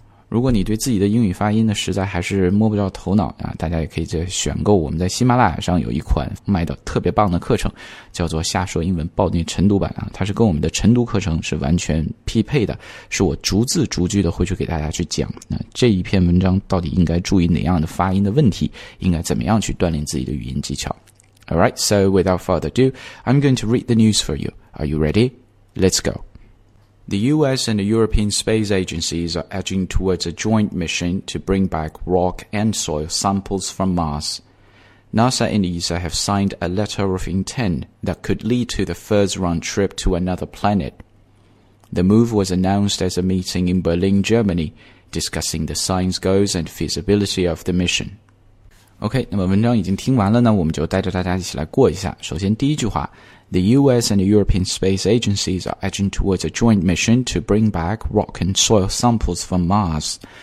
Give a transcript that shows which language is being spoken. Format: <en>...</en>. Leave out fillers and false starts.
<zh>如果你对自己的英语发音呢，实在还是摸不着头脑啊，大家也可以在选购我们在喜马拉雅上有一款卖的特别棒的课程，叫做下说英文暴虐晨读版啊，它是跟我们的晨读课程是完全匹配的，是我逐字逐句的会去给大家去讲，那这一篇文章到底应该注意哪样的发音的问题，应该怎么样去锻炼自己的语音技巧。</zh> <en>Alright, so without further ado, I'm going to read the news for you. Are you ready? Let's go. The US and the European Space Agencies are edging towards a joint mission to bring back rock and soil samples from Mars. NASA and ESA have signed a letter of intent that could lead to the first round trip to another planet. The move was announced at a meeting in Berlin, Germany, discussing the science goals and feasibility of the mission.</en> <zh>OK, 那么文章已经听完了呢，我们就带着大家一起来过一下。首先第一句话，</zh> <en>The US and the European Space Agencies are edging towards a joint mission to bring back rock and soil samples from Mars.</en>